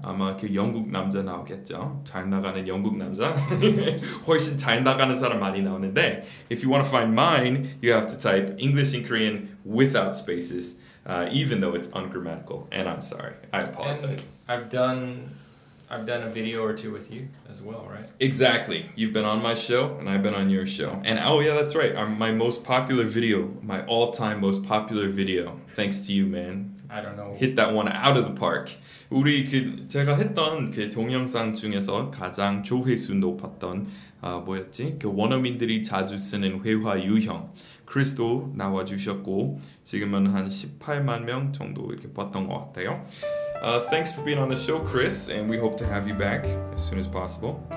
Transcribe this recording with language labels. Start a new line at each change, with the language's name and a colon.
Korean: 아마 그 영국 남자 나오겠죠. 잘 나가는 영국 남자. 훨씬 잘 나가는 사람 많이 나오는데
English: If you want to find mine, you have to type English and Korean without spaces even though it's ungrammatical. And I'm sorry. I apologize. And I've done a video or two with you as well, right? Exactly. You've been on my show and I've been on your show. And oh yeah, that's right. My most popular video, my all-time most popular video. Thanks to you, man. I don't know. Hit that one out of the park.
Korean: 우리 그 제가 했던 그 동영상 중에서 가장 조회수 높았던 뭐였지? 그 원어민들이 자주 쓰는 회화 유형. 크리스도 나와 주셨고 지금은 한 18만 명 정도 이렇게 봤던 것 같아요.
English: Thanks for being on the show, Chris, and we hope to have you back as soon as possible.